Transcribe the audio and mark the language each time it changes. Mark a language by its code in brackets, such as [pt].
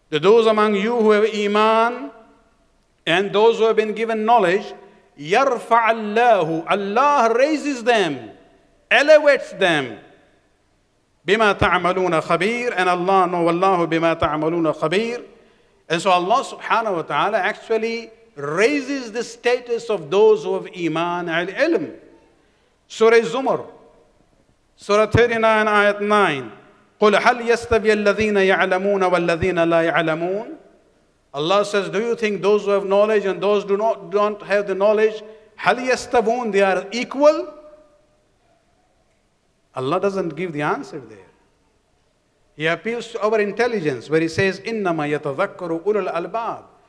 [en] Those among you who have iman, and those who have been given knowledge, [ar] يَرْفَعَ اللَّهُ, [en] Allah raises them, elevates them, [ar] بِمَا تَعْمَلُونَ خَبِيرٌ, [en] and Allah knows, [ar] وَاللَّهُ بِمَا تَعْمَلُونَ خَبِيرٌ. [en] And so Allah subhanahu wa ta'ala actually raises the status of those who have iman and ilm. [ar] Surah Zumar, Surah 39, Ayat 9, قُلْ هَلْ يَسْتَوِيَ الَّذِينَ يَعْلَمُونَ وَالَّذِينَ لَا يَعْلَمُونَ. [en] Allah says, do you think those who have knowledge and those who don't have the knowledge, [ar] هَلْ يَسْتَوُونَ, [en] they are equal? Allah doesn't give the answer there. He appeals to our intelligence, where He says, [ar] إِنَّمَا يَتَذَكَّرُ أُولُو الْأَلْبَابِ.